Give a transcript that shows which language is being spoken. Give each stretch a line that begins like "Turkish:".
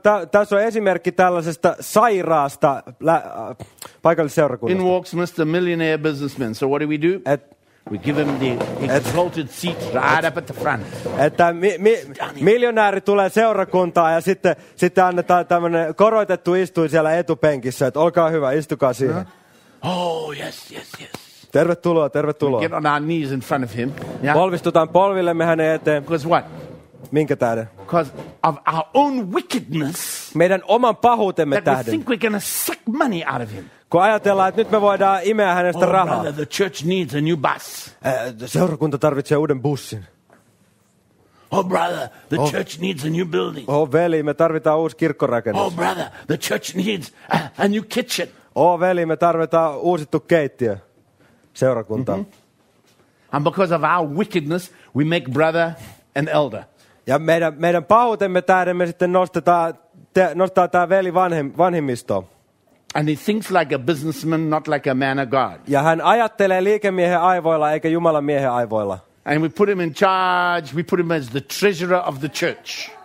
Finnish: Tässä on esimerkki tällaisesta sairaasta paikallisseurakunnasta.
English: In walks Mr. Millionaire Businessman. So what do? We give him the exalted seat right up at the front.
Finnish: Että miljonääri tulee seurakuntaan ja sitten annetaan tämmöinen korotettu istuin siellä etupenkissä. Että olkaa hyvä, istukaa siihen.
English: Oh, yes.
Finnish: Tervetuloa.
English: We get on our knees in front of him. Yeah?
Finnish: Polvistutaan polvillemme hänen eteen.
English: Because what?
Finnish: Minkä tähden?
English: Because of our own wickedness.
Finnish: Meidän oman pahuutemme
English: that
Finnish: tähden.
English: We think we're gonna suck money out of him.
Finnish: Kun ajatellaan, että nyt me voidaan imeä hänestä rahaa.
English: Brother, the church needs a new bus.
Finnish: Seurakunta tarvitsee uuden bussin.
English: Oh brother, the church needs a new building.
Finnish: Oh veli, me tarvitaan uusi kirkkorakennus.
English: Oh brother, the church needs a new kitchen.
Finnish: Oh veli, me tarvitaan uusittu keittiö. Seurakunta. Mm-hmm.
English: And because of our wickedness, we make brother an elder.
Finnish: Ja meidän pahuutemme tähden me sitten nostetaan tämä veli vanhimmistoon.
English: And he thinks like a businessman, not like a man of God.
Finnish: Ja hän ajattelee liikemiehen aivoilla eikä Jumalan miehen aivoilla.
English: And we put him in charge. We put him as the treasurer of the church.